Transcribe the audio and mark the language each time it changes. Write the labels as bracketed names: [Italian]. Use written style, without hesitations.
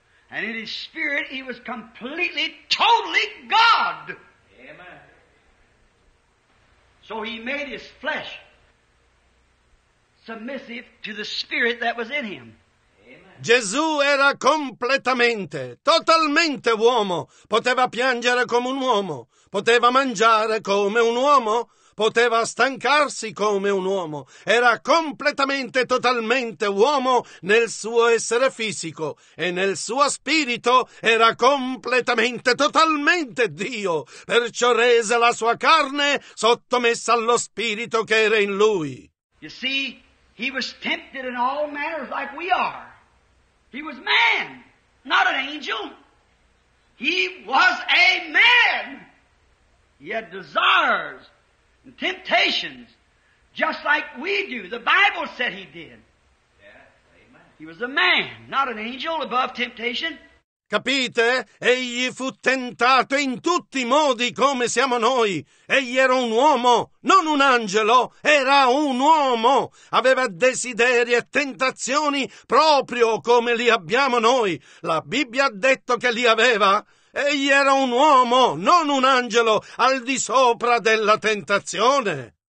[English] And in his spirit, he was completely, totally God. Amen. So he made his flesh submissive to the spirit that was in him. [Italian] Gesù era completamente, totalmente uomo. Poteva piangere come un uomo, poteva mangiare come un uomo, poteva stancarsi come un uomo. Era completamente, totalmente uomo nel suo essere fisico e nel suo spirito era completamente, totalmente Dio. Perciò rese la sua carne sottomessa allo spirito che era in lui. [English] You see, he was tempted in all manners like we are. He was man, not an angel. He was a man. He had desires and temptations just like we do. The Bible said he did. Yeah, amen. He was a man, not an angel above temptation. [Italian] Capite? Egli fu tentato in tutti i modi come siamo noi. Egli era un uomo, non un angelo, era un uomo. Aveva desideri e tentazioni proprio come li abbiamo noi. La Bibbia ha detto che li aveva. Egli era un uomo, non un angelo, al di sopra della tentazione.